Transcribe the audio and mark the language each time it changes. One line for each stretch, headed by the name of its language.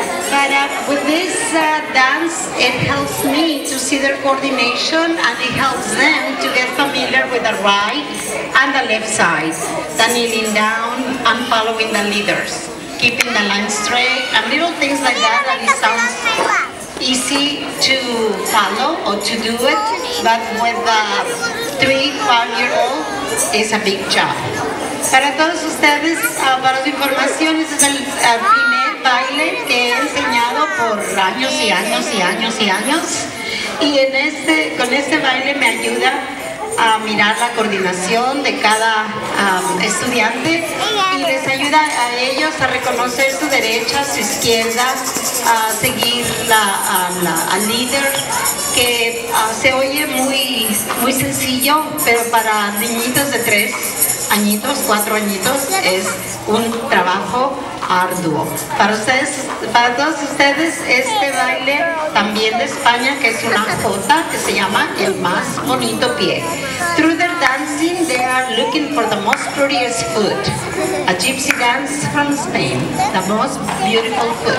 English: But with this dance, it helps me to see their coordination, and it helps them to get familiar with the right and the left side, the kneeling down and following the leaders, keeping the line straight, and little things like that, that it sounds easy to follow or to do it, but with a 3-5-year-old, it's a big job.
Spanish: Para todos ustedes, para su información, este es el primer baile que he enseñado por años y años y años y años. Y en este, con este baile me ayuda a mirar la coordinación de cada estudiante y les ayuda a ellos a reconocer su derecha, su izquierda, a seguir al líder, que se oye muy, muy sencillo, pero para niñitos de 3 añitos, 4 añitos, es un trabajo arduo. Para ustedes, para todos ustedes, este baile también de España, que es una jota, que se llama el más bonito pie.
English: Through their dancing, they are looking for the most prettiest foot. A gypsy dance from Spain, the most beautiful foot.